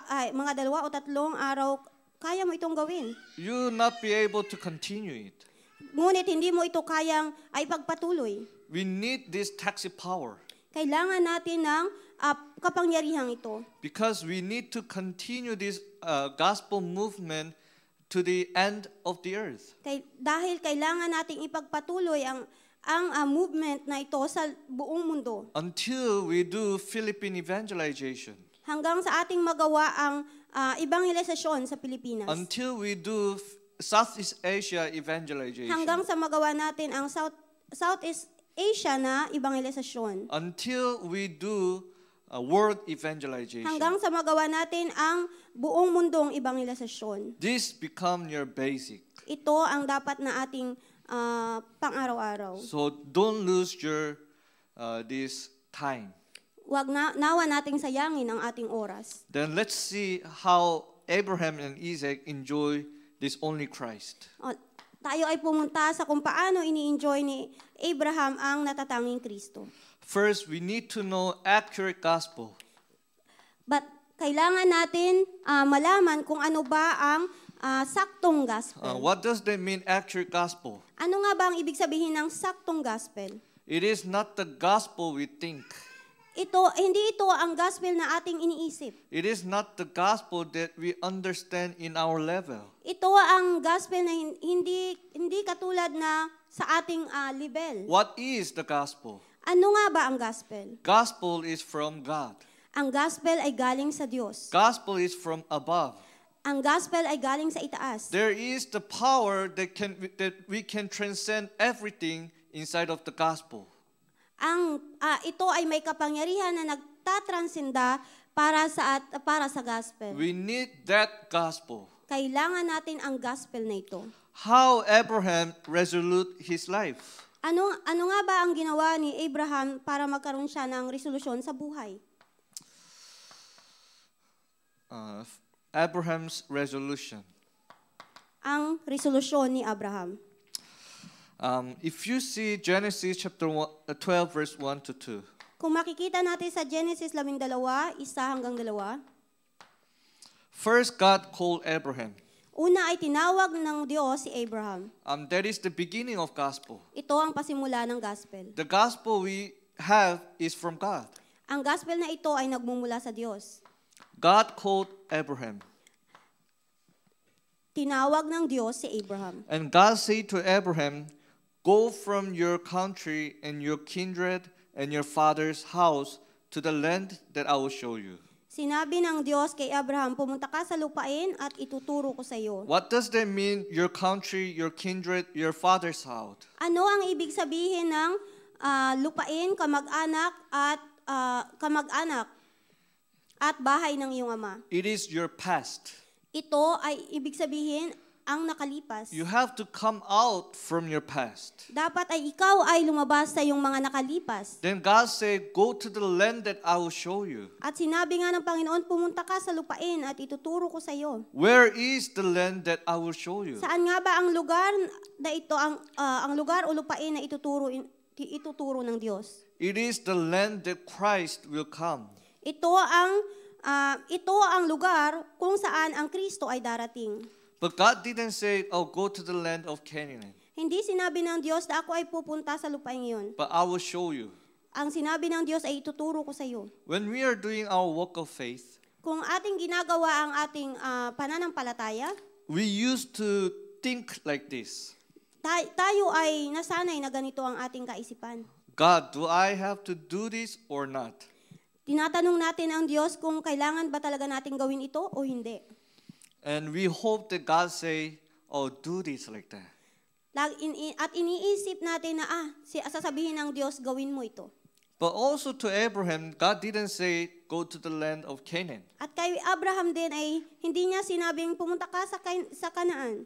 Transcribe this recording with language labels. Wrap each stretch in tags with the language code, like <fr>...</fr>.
<tl>Mga dalawa o tatlong araw, kaya mo itong gawin.</tl> <en>You'll not be able to continue it.</en> <tl>Ngunit hindi mo ito kayang ay pagpatuloy.</tl> <en>We need this taxi power.</en> <tl>Kailangan natin ng kapangyarihang ito.</tl> <en>Because we need to continue this gospel movement to the end of the earth.</en> <tl>Dahil kailangan natin ipagpatuloy ang movement na ito sa buong mundo.</tl> <en>Until we do Philippine evangelization.</en> <tl>Hanggang sa ating magawa ang evangelization sa Pilipinas.</tl> <en>Until we do Southeast Asia evangelization.</en> <tl>Hanggang sa magawa natin ang Southeast Asia na evangelization.</tl> <en>Until we do world evangelization.</en> <tl>Hanggang sa magawa natin ang buong mundong evangelization.</tl> <en>This become your basic.</en> <tl>Ito ang dapat na ating pang-araw-araw.</tl> <en>So don't lose your this time.</en> <tl>Wag nawa nating sayangin ang ating oras.</tl> <en>Then let's see how Abraham and Isaac enjoy this only Christ.</en> <tl>Tayo ay pumunta sa kung paano ini-enjoy ni Abraham ang natatanging Kristo.</tl> <en>First, we need to know accurate gospel.</en> <tl>But kailangan natin malaman kung ano ba ang saktong gospel.</tl> <en>What does that mean, accurate gospel?</en> <tl>Ano nga ba ang ibig sabihin ng saktong gospel?</tl> <en>It is not the gospel we think.</en> <tl>Hindi ito ang gospel na ating iniisip.</tl> <en>It is not the gospel that we understand in our level.</en> <tl>Ito ang gospel na hindi katulad na sa ating level.</tl> <en>What is the gospel?</en> <tl>Ano nga ba ang gospel?</tl> <en>Gospel is from God.</en> <tl>Ang gospel ay galing sa Diyos.</tl> <en>Gospel is from above.</en> <tl>Ang gospel ay galing sa itaas.</tl> <en>There is the power that we can transcend everything inside of the gospel.</en> <tl>Ito ay may kapangyarihan na nagtatransinda para sa gospel.</tl> <en>We need that gospel.</en> <tl>Kailangan natin ang gospel na ito.</tl> <en>How Abraham resolute his life?</en> <tl>Ano nga ba ang ginawa ni Abraham para magkaroon siya ng resolusyon sa buhay?</tl> <en>Abraham's resolution.</en> <tl>Ang resolusyon ni Abraham.</tl> <en>If you see Genesis chapter 12 verse 1 to 2.</en> <tl>Kung makikita natin sa Genesis 12, 1 hanggang 2.</tl> <en>First God called Abraham.</en> <tl>Una ay tinawag ng Diyos si Abraham.</tl> <en>That is the beginning of gospel.</en> <tl>Ito ang pasimula ng gospel.</tl> <en>The gospel we have is from God.</en> <tl>Ang gospel na ito ay nagmumula sa Diyos.</tl> <en>God called Abraham.</en> <tl>Tinawag ng Diyos si Abraham.</tl> <en>And God said to Abraham, "Go from your country and your kindred and your father's house to the land that I will show you."</en> <tl>Sinabi ng Diyos kay Abraham, pumunta ka sa lupain at ituturo ko sa iyo.</tl> <en>What does that mean, your country, your kindred, your father's house?</en> <tl>Ano ang ibig sabihin ng lupain, kamag-anak at kamag-anak at bahay ng iyong ama?</tl> <en>It is your past.</en> <tl>Ito ay ibig sabihin ang nakalipas.</tl> <en>You have to come out from your past.</en> <tl>Dapat ay ikaw ay lumabas sa iyong mga nakalipas.</tl> <en>Then God said, go to the land that I will show you.</en> <tl>At sinabi nga ng Panginoon, pumunta ka sa lupain at ituturo ko sa iyo.</tl> <en>Where is the land that I will show you?</en> <tl>Saan nga ba ang lugar na ito, ang lugar o lupain na ituturo ng Diyos?</tl> <en>It is the land that Christ will come.</en> <tl>Ito ang lugar kung saan ang Kristo ay darating.</tl> <en>But God didn't say, "Oh, go to the land of Canaan."</en> <tl>Hindi sinabi ng Diyos na ako ay pupunta sa lupain yun.</tl> <en>But I will show you.</en> <tl>Ang sinabi ng Diyos ay ituturo ko sa iyo.</tl> <en>When we are doing our walk of faith,</en> <tl>kung ating ginagawa ang ating pananampalataya,</tl> <en>we used to think like this.</en> <tl>Tayo ay nasanay na ganito ang ating kaisipan.</tl> <en>God, do I have to do this or not?</en> <tl>Tinatanong natin ang Diyos kung kailangan ba talaga natin gawin ito o hindi.</tl> <en>And we hope that God say, "Oh, do this like that."</en> <tl>At iniisip natin na sasabihin ng Diyos, gawin mo ito.</tl> <en>But also to Abraham, God didn't say, "Go to the land of Canaan."</en> <tl>At kay Abraham din ay hindi niya sinabing pumunta ka sa Kanaan.</tl>